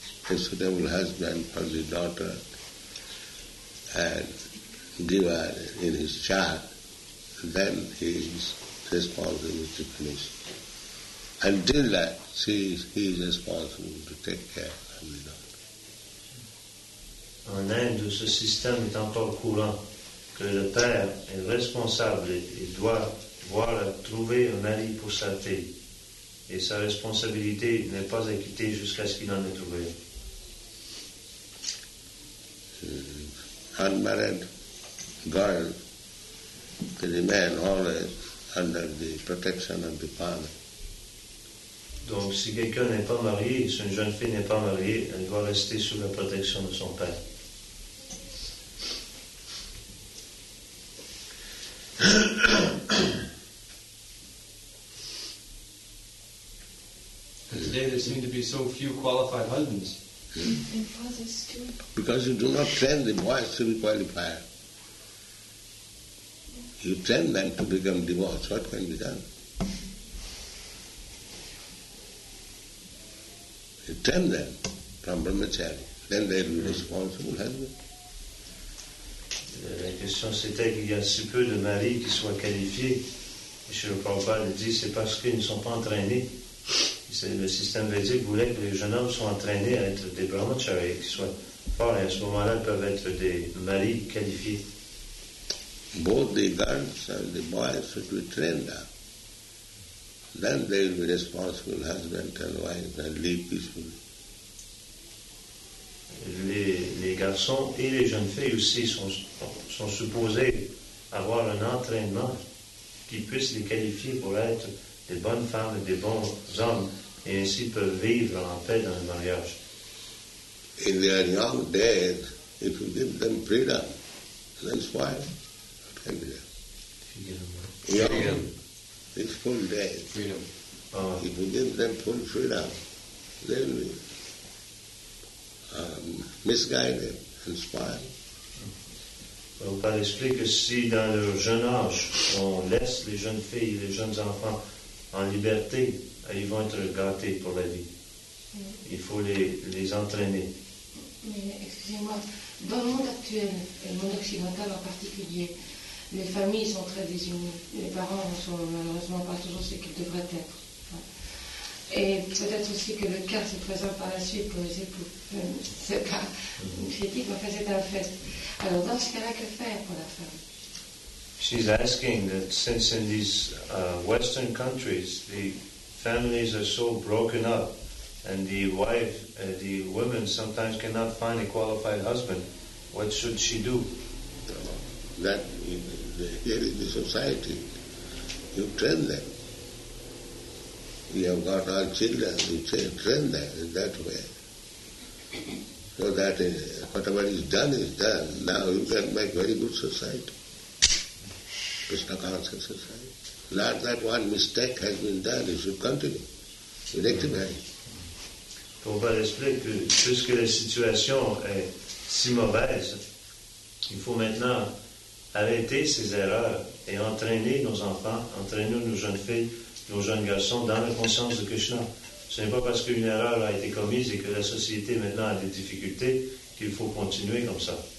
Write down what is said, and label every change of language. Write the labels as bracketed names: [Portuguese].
[English] a suitable husband for the daughter and give her in his charge, then he is responsible to finish. Until that, he is responsible to take care of the daughter. [French] En Inde, ce système est encore courant, que le père est responsable et doit voir trouver un mari pour sa fille. Et sa responsabilité n'est pas acquittée jusqu'à ce qu'il en ait trouvé. [English] Unmarried girl remain always under the protection of the father. [French] Donc si quelqu'un n'est pas marié, si une jeune fille n'est pas mariée, elle doit rester sous la protection de son père. [English] Today there seem to be so few qualified husbands. Because you do not train the boys to be qualified. You train them to become divorced. What can be done? You train them from brahmachari. Then they will be responsible husbands. [French] La question c'était qu'il y a si peu de maris qui soient qualifiés. Et Sri Prabhupada dit c'est parce qu'ils ne sont pas entraînés. Le système védique voulait que les jeunes hommes soient entraînés à être des brahmacharis, qu'ils soient forts, et à ce moment-là, ils peuvent être des maris qualifiés. [English] Both the girls and the boys should be trained up. Then they will be responsible husband and wife and live peacefully. [French] Les garçons et les jeunes filles aussi sont supposés avoir un entraînement qui puisse les qualifier pour être des bonnes femmes et des bons hommes, et ainsi peuvent vivre en paix dans le mariage. [English] In their young days, if you give them freedom, that's why. Freedom. It's full day. Freedom. If you give them full freedom, they will be misguided and spoiled. [French] Prabhupada explique que si dans leur jeune âge, on laisse les jeunes filles et les jeunes enfants en liberté, ils vont être gâtés pour la vie. Oui. Il faut les entraîner. Mais, excusez-moi, dans le monde actuel, et le monde occidental en particulier, les familles sont très désunies. Les parents ne sont malheureusement pas toujours ce qu'ils devraient être. Et peut-être aussi que le cas se présente par la suite pour les époux. C'est pas une critique, mais c'est un fait. Alors, dans ce cas-là, que faire pour la femme? [English] She's asking that since in these Western countries the families are so broken up and the wife, the woman sometimes cannot find a qualified husband, what should she do? That here in the society, you train them. You have got all children, you train them in that way. So that whatever is done, now you can make very good society. Krishna conscious society. Not that one mistake has been done, it should continue. You take the marriage. [French] Prabhupada explique que puisque la situation est si mauvaise, il faut maintenant arrêter ces erreurs et entraîner nos enfants, entraîner nos jeunes filles, nos jeunes garçons dans la conscience de Krishna. Ce n'est pas parce qu'une erreur a été commise et que la société maintenant a des difficultés qu'il faut continuer comme ça.